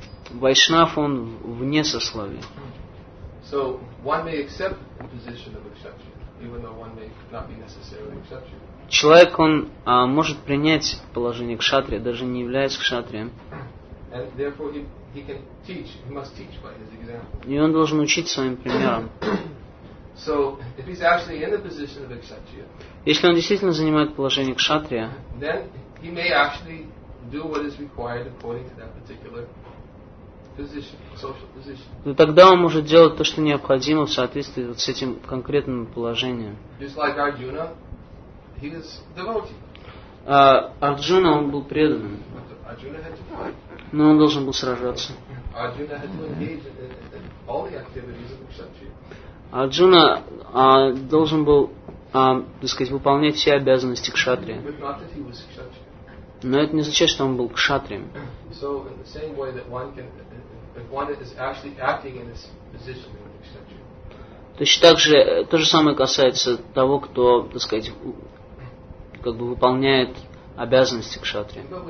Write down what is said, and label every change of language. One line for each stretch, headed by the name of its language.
Russian: Вайшнав, он вне сословия.
English: So one may accept the position of exception, even though one may not be necessarily exception.
Russian: Человек, он может принять положение кшатрия, даже не являясь кшатрием.
English: And therefore he can teach, he must teach by his example.
Russian: И он должен учить своим примером.
English: So if he's actually in the position of kshatriya,
Russian: если он действительно занимает положение кшатрия,
English: then he may actually do what is required according to that particular position,
Russian: но тогда он может делать то, что необходимо в соответствии вот с этим конкретным положением.
English: Just like Arjuna, he is devotee.
Russian: Арджуна, он был преданным.
English: Arjuna had to fight.
Russian: Но он должен был сражаться.
English: Arjuna had to engage in all the activities of kshatriya.
Russian: Арджуна должен был, так сказать, выполнять все обязанности кшатри.
English: But not that he was kshatriya.
Russian: Но это не означает, что он был кшатрием.
English: So in the same way that one can, if one is actually acting in this position, in the kshatriya.
Russian: Точно так же, то же самое касается того, кто, так сказать, как бы выполняет обязанности кшатри.